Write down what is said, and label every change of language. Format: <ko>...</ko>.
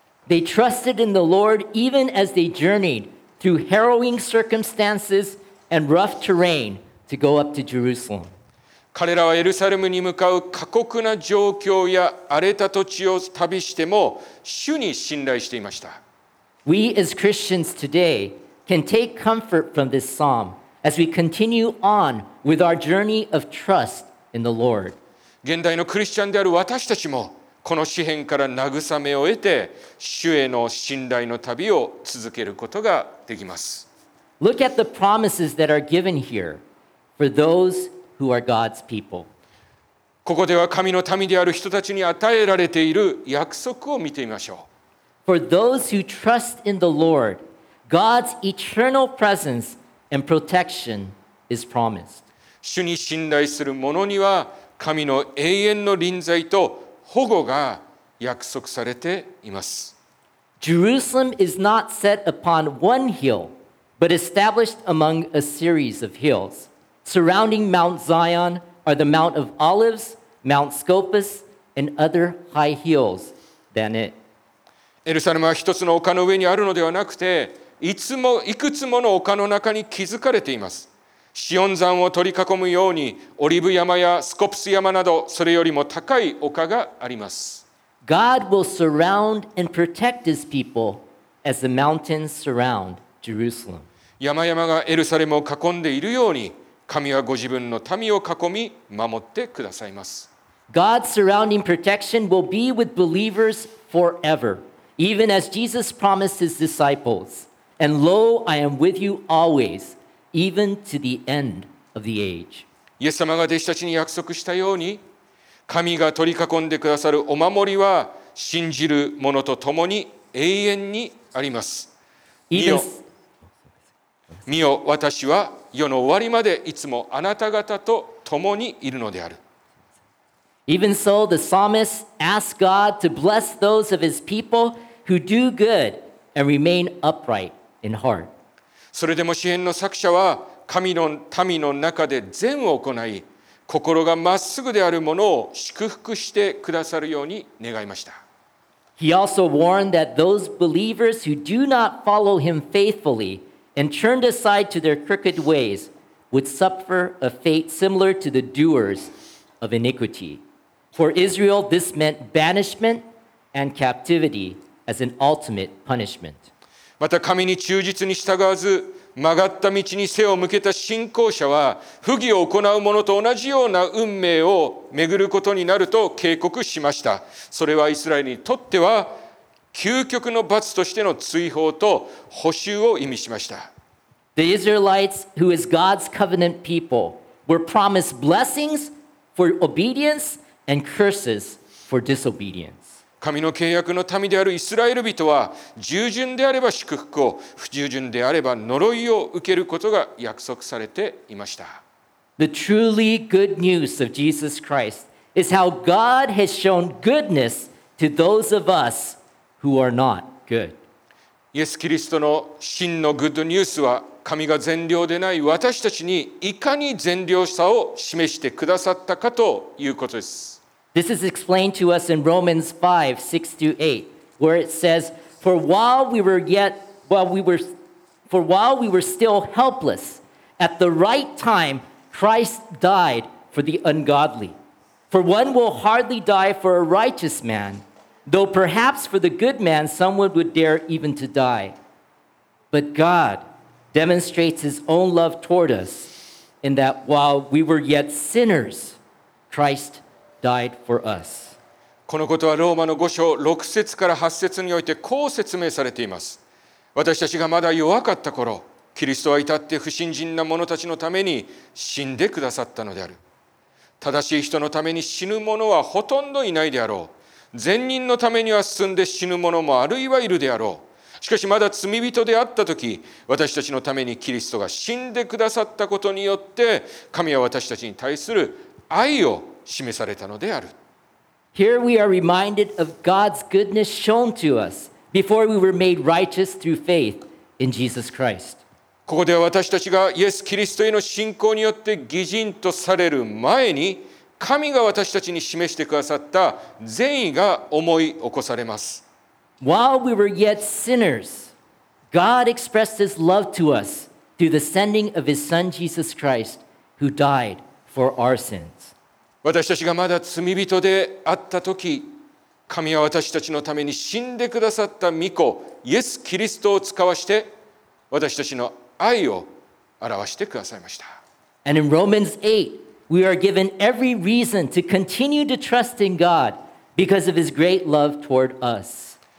<en>They trusted in the Lord even as they journeyed through harrowing circumstances and rough terrain to go up to Jerusalem.</en> <ja>彼らはエルサレムに向かう過酷な状況や荒れた土地を旅しても主に信頼していました。</ja> <en>We as Christians today can take comfort from this psalm as we continue on with our journey of trust in the Lord.</en> <ja>現代のクリスチャンである私たちもこの詩編から慰めを得て主への信頼の旅を続けることができます。</ja> <en>Look at the promises that are given here for those who are God's people.</en> <ja>ここでは神の民である人たちに与えられている約束を見てみましょう。</ja> <en>For those who trust in the Lord, God's eternal presence and protection is promised.</en> <ja>主に信頼する者には神の永遠の臨在と保護が約束されています。</ja> <en>Jerusalem is not set upon one hill, but established among a series of hills. Surrounding Mount Zion are the Mount of Olives, Mount Scopus, and other high hills than it.</en> <ja>エルサレムは一つの丘の上にあるのではなくて、いつもいくつもの丘の中に築かれています。シオン山を取り囲むようにオリブ山やスコプス山などそれよりも高い丘があります。</ja> <en>God will surround and protect His people as the mountains surround Jerusalem.</en> <ja>山々がエルサレムを囲んでいるように神はご自分の民を囲み守ってくださいます。</ja> <en>God's surrounding protection will be with believers forever, even as Jesus promised His disciples, and lo, I am with you always. Even to the end of the age.</en> <ja>イエス様が弟子たちに約束したように神が取り囲んでくださるお守りは信じる者と共に永遠にあります。見よ私は世の終わりまでいつもあなた方と共にいるのである。</ja> <en>Even so, the psalmist asks God to bless those of his people who do good and remain upright in heart.</en> <ja>それでも詩編の作者は神の民の中で善を行い、心がまっすぐであるものを祝福してくださるように願いました。</ja> <en>He also warned that those believers who do not follow him faithfully and turned aside to their crooked ways would suffer a fate similar to the doers of iniquity. For Israel, this meant banishment and captivity as an ultimate punishment.</en> <ja>また神に忠実に従わず、曲がった道に背を向けた信仰者は、不義を行う者と同じような運命を巡ることになると警告しました。それはイスラエルにとっては、究極の罰としての追放と補修を意味しました。</ja> <en>The Israelites, who is God's covenant people, were promised blessings for obedience and curses for disobedience.</en> <ja>神の契約の民であるイスラエル人は、従順であれば祝福を、不従順であれば呪いを受けることが約束されていました。</ja> <en>The truly good news of Jesus Christ is how God has shown goodness to those of us who are not good.</en> <ja>イエス・キリストの真のグッドニュースは、神が善良でない私たちにいかに善良さを示してくださったかということです。</ja> <en>This is explained to us in Romans 5:6-8, where it says, For while we were still helpless, at the right time, Christ died for the ungodly. For one will hardly die for a righteous man, though perhaps for the good man someone would dare even to die. But God demonstrates his own love toward us in that while we were yet sinners, Christ died for us.</en> <ja>このことはローマの5章6節から8節においてこう説明されています。私たちがまだ弱かった頃、キリストは至って不信心な者たちのために死んでくださったのである。正しい人のために死ぬ者はほとんどいないであろう。善人のためには進んで死ぬ者もあるいはいるであろう。しかしまだ罪人であったとき、私たちのためにキリストが死んでくださったことによって、神は私たちに対する愛を示されたのである。</ja> <en>Here we are reminded of God's goodness shown to us before we were made righteous through faith in Jesus Christ.</en> <ja>ここでは私たちがイエス・キリストへの信仰によって義人とされる前に、神が私たちに示してくださった善意が思い起こされます。</ja> <en>While we were yet sinners, God expressed His love to us through the sending of His Son Jesus Christ, who died for our sins.</en> <ja>私たちがまだ罪人であったとき、神は私たちのために死んでくださった御子、イエス・キリストを使わして、私たちの愛を表してくださいました。</ja> <en>And in Romans 8, we are given every reason to continue to trust in God because of His great love toward us.</en>